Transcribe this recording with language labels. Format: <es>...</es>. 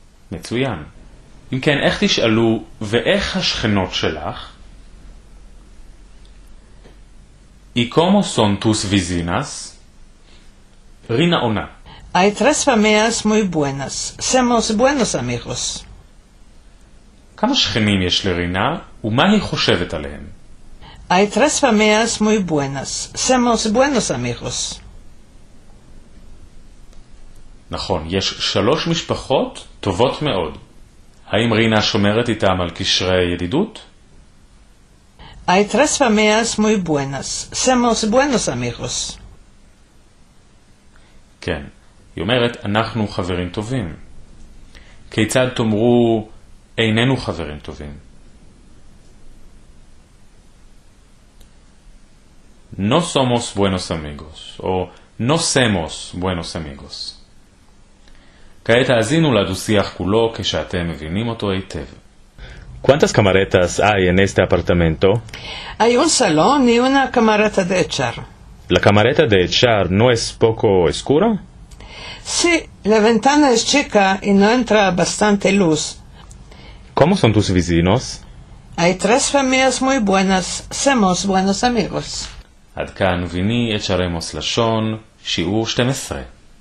<he>Metsuyan. Im ken ech tishalu ve'ech hashchenot shelach?</he> <lad>¿Y cómo son tus vecinas?</lad> <he>Rina ona.</he> <lad>Hay tres familias muy buenas. Somos buenos amigos.</lad> <he>כמה שכנים יש לרינה, ומה היא חושבת עליהם?</he> <lad>Hay tres familias muy buenas. Somos buenos amigos.</lad> <he>נכון, יש שלוש משפחות טובות מאוד. האם רינה שומרת איתם על קשרי ידידות?</he> <lad>Hay tres familias muy buenas. Somos buenos amigos.</lad> <he>כן, היא אומרת, אנחנו חברים טובים. כיצד תאמרו... איננו חברים טובים.</he> <lad>No somos buenos amigos, או no somos buenos amigos.</lad> <he>כעת האזינו לדו-שיח כולו כשאתם מבינים אותו היטב.</he> <lad>¿Cuántas camaretas hay en este apartamento? Hay un salón y una camareta de echar. La camareta de echar no es poco oscura? Sí, la ventana es chica y no entra bastante luz. ¿Cómo son tus vecinos? Hay tres familias muy buenas. Somos buenos amigos.</lad> <he>עד כאן ויני את שרמוס לשון, שיעור 12.</he>